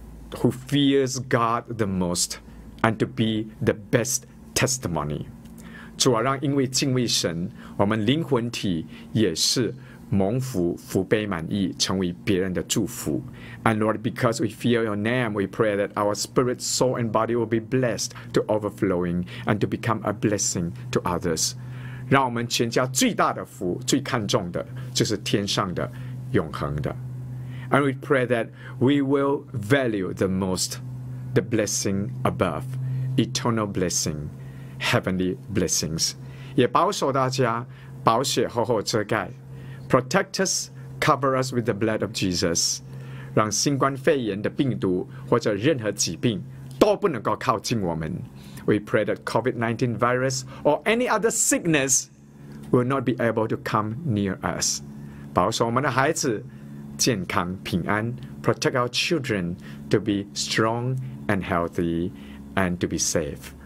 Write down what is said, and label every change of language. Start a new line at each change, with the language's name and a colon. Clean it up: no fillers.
English: who fears God the most and to be the best testimony
Chinese: 主啊，让因为敬畏神，我们灵魂体也是蒙福，福杯满溢，成为别人的祝福。
English: And Lord, because we fear your name, we pray that our spirit, soul, and body will be blessed to overflowing and to become a blessing to others.
Chinese: 让我们全家最大的福，最看重的，就是天上的，永恒的。
English: And we pray that we will value the most, the blessing above, eternal blessing.Heavenly blessings
Chinese: 也保守大家，宝血厚厚遮盖。
English: Protect us, cover us with the blood of Jesus.
Chinese: 让新冠肺炎的病毒或者任何疾病都不能够靠近我们。
English: We pray that COVID-19 virus or any other sickness will not be able to come near us.
Chinese: 保守我们的孩子健康平安。
English: Protect our children to be strong and healthy and to be safe.